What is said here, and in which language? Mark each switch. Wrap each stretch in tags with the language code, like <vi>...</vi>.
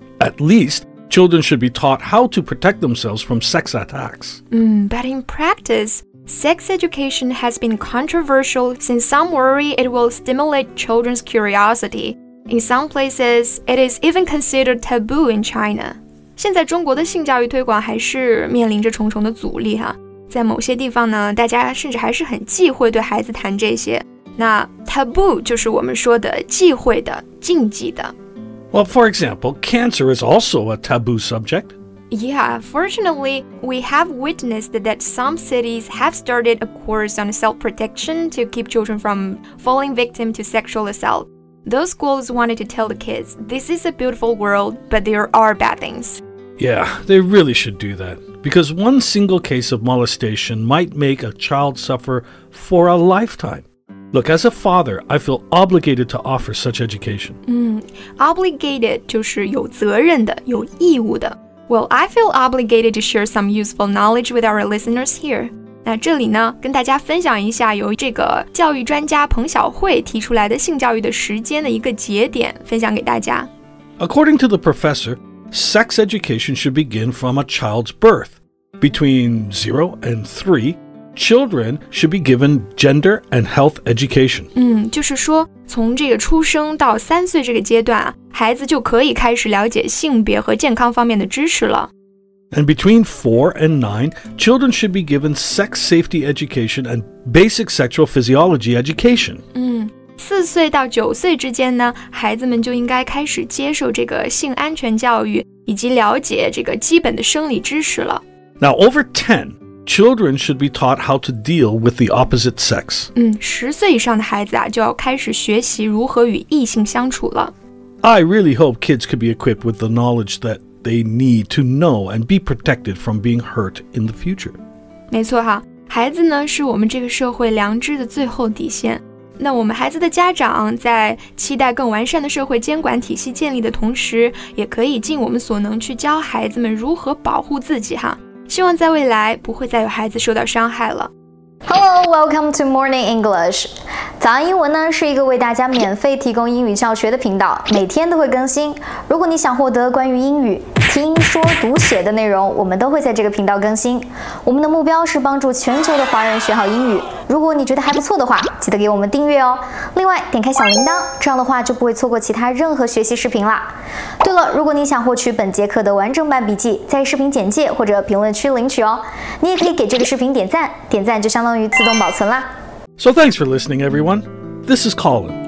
<en>At least, children should be taught how to protect themselves from sex attacks. But in practice,Sex education has been controversial since some worry it will stimulate children's curiosity. In some places, it is even considered taboo in China.</en> <zh>现在中国的性教育推广还是面临着重重的阻力哈。在某些地方呢，大家甚至还是很忌讳对孩子谈这些。那 taboo 就是我们说的忌讳的、禁忌的。</zh> <en>Well, for example, cancer is also a taboo subject. Yeah, fortunately, we have witnessed that some cities have started a course on self-protection to keep children from falling victim to sexual assault. Those schools wanted to tell the kids, this is a beautiful world, but there are bad things. Yeah, they really should do that. Because one single case of molestation might make a child suffer for a lifetime. Look, as a father, I feel obligated to offer such education.</en> <zh>Obligated 就是有责任的,有义务的。</zh> <en>Well, I feel obligated to share some useful knowledge with our listeners here.</en> <zh>那这里呢，跟大家分享一下由这个教育专家彭晓慧提出来的性教育的时间的一个节点，分享给大家。</zh> <en>According to the professor, sex education should begin from a child's birth. Between 0 and 3, children should be given gender and health education.</en> <zh>就是说，从这个出生到三岁这个阶段啊，孩子就可以开始了解性别和健康方面的知识了。</zh> <en>And between 4 and 9, children should be given sex safety education and basic sexual physiology education.</en> <zh>四岁到九岁之间呢，孩子们就应该开始接受这个性安全教育，以及了解这个基本的生理知识了。</zh> <en>Now over 10, children should be taught how to deal with the opposite sex.</en> <zh>十岁以上的孩子啊，就要开始学习如何与异性相处了。</zh> <en>I really hope kids could be equipped with the knowledge that they need to know and be protected from being hurt in the future.</en> <zh>没错哈，孩子呢是我们这个社会良知的最后底线。那我们孩子的家长在期待更完善的社会监管体系建立的同时，也可以尽我们所能去教孩子们如何保护自己哈。希望在未来不会再有孩子受到伤害了。</zh> <en>Hello, welcome to Morning English.</en> <zh>早安英文呢是一个为大家免费提供英语教学的频道，每天都会更新。如果你想获得关于英语听说读写的内容，我们都会在这个频道更新。我们的目标是帮助全球的华人学好英语。如果你觉得还不错的话，记得给我们订阅哦。另外，点开小铃铛，这样的话就不会错过其他任何学习视频啦。对了，如果你想获取本节课的完整版笔记，在视频简介或者评论区领取哦。你也可以给这个视频点赞，点赞就相当于自动保存啦。</zh> <en>So thanks for listening, everyone. This is Colin.</en>